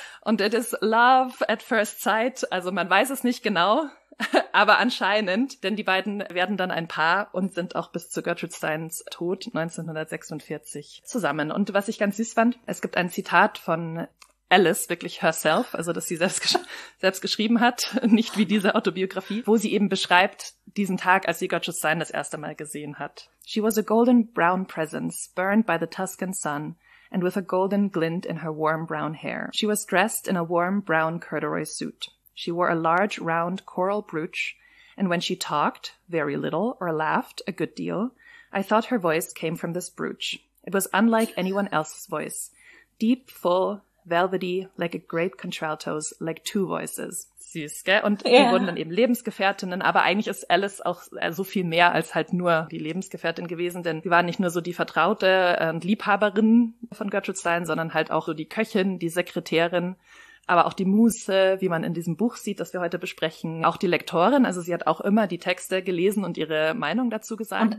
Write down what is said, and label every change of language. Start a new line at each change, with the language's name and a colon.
German: Und
English: it is love at first sight,
German: also man weiß es nicht genau, aber anscheinend, denn die beiden werden dann ein Paar und sind auch bis zu Gertrude Steins Tod 1946 zusammen. Und was ich ganz süß fand, es gibt ein Zitat von Alice, wirklich herself, also dass sie selbst geschrieben hat, nicht wie diese Autobiografie, wo sie eben beschreibt diesen Tag, als sie Gertrude Stein das erste Mal gesehen hat.
English: She was a golden brown presence, burned by the Tuscan sun, and with a golden glint in her warm brown hair. She was dressed in a warm brown corduroy suit. She wore a large round coral brooch, and when she talked, very little, or laughed, a good deal, I thought her voice came from this brooch. It was unlike anyone else's voice. Deep, full, velvety, like a great contralto's, like two voices.
German: Süß, gell? Und die wurden dann eben Lebensgefährtinnen, aber eigentlich ist Alice auch so viel mehr als halt nur die Lebensgefährtin gewesen, denn sie war nicht nur so die Vertraute und Liebhaberin von Gertrude Stein, sondern halt auch so die Köchin, die Sekretärin, aber auch die Muse, wie man in diesem Buch sieht, das wir heute besprechen, auch die Lektorin, also sie hat auch immer die Texte gelesen und ihre Meinung dazu gesagt.